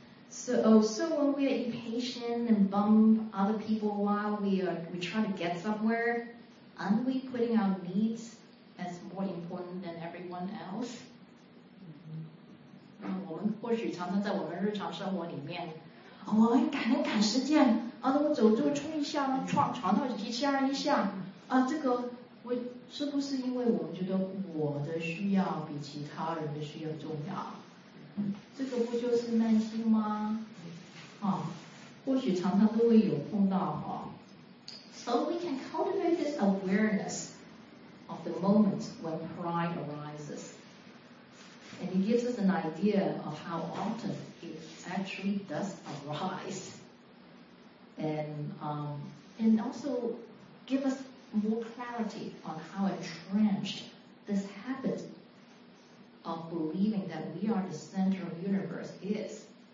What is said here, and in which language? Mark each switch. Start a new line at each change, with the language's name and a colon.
English: So when we are impatient and bump other people while we try to get somewhere, aren't we putting our needs as more important than everyone else?
Chinese: 我们或许常常在我们日常生活里面，我们赶时间。那我走就冲一下，闯到急切一下啊！这个我是不是因为我们觉得我的需要比其他人的需要重要？这个不就是耐心吗？或许常常都会有碰到哈。
English: So we can cultivate this awareness of the moment when pride arises, and it gives us an idea of how often it actually does arise. And also give us more clarity on how entrenched this habit of believing that we are the center of the universe is.